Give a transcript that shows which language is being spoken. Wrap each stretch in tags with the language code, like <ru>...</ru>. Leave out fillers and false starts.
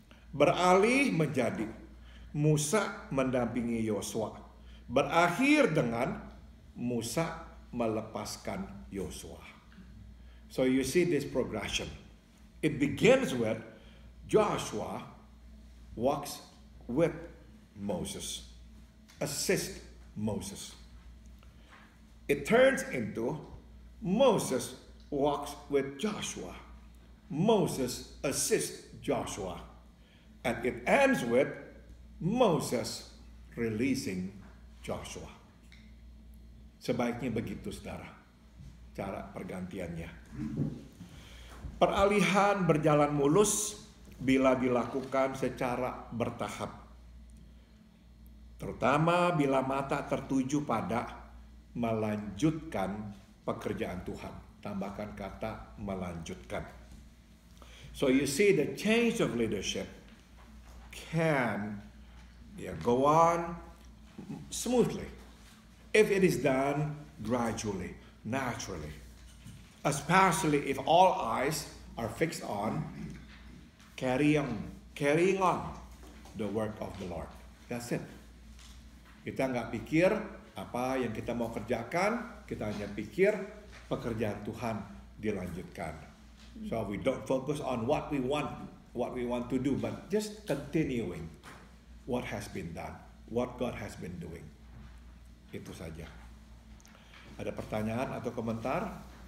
<id>beralih menjadi Musa mendampingi Yosua, berakhir dengan Musa melepaskan Yosua.</id> <en>So you see this progression. It begins with Joshua walks with Moses, assist Moses. It turns into Moses walks with Joshua, Moses assist Joshua, and it ends with Moses releasing Joshua.</en> <id>Sebaiknya begitu, saudara, cara pergantiannya. Peralihan berjalan mulus bila dilakukan secara bertahap, terutama bila mata tertuju pada melanjutkan pekerjaan Tuhan. Tambahkan kata melanjutkan.</id> <en>So you see, the change of leadership can go on smoothly if it is done gradually, naturally, especially if all eyes are fixed on carrying on the work of the Lord. That's it.</en> <id>Kita nggak pikir apa yang kita mau kerjakan, kita hanya pikir pekerjaan Tuhan dilanjutkan.</id> <en>So we don't focus on what we want to do, but just continuing what has been done, what God has been doing.</en> <id>Itu saja. Ada pertanyaan atau komentar?</id>